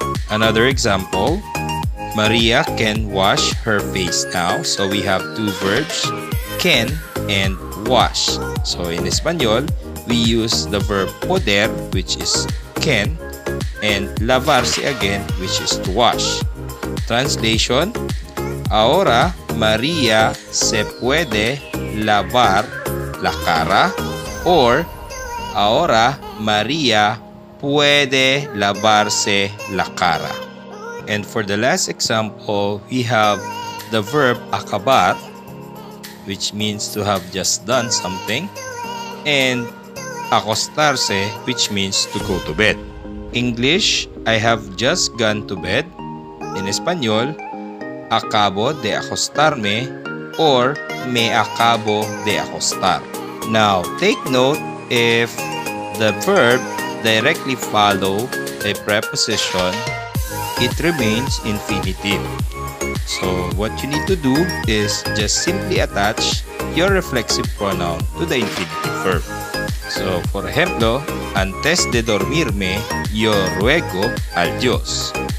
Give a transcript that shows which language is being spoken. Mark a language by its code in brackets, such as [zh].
[en] Another example, Maria can wash her face now. So we have two verbs, can and wash. So in Espanol, we use the verb poder, which is can, and lavarse again, which is to wash. [es] Translation, ahora Maria se puede lavar la cara, or ahora Maria puede lavarse la cara. [en] And for the last example, we have the verb acabar, which means to have just done something, and acostarse, which means to go to bed. English, I have just gone to bed. In Espanol, [es] acabo de acostarme, [en] or [es] me acabo de acostar. [en] Now, take note, if the verb directly follow a preposition, it remains infinitive. So what you need to do is just simply attach your reflexive pronoun to the infinitive verb. So for [es] ejemplo, antes de dormirme, yo ruego al Dios.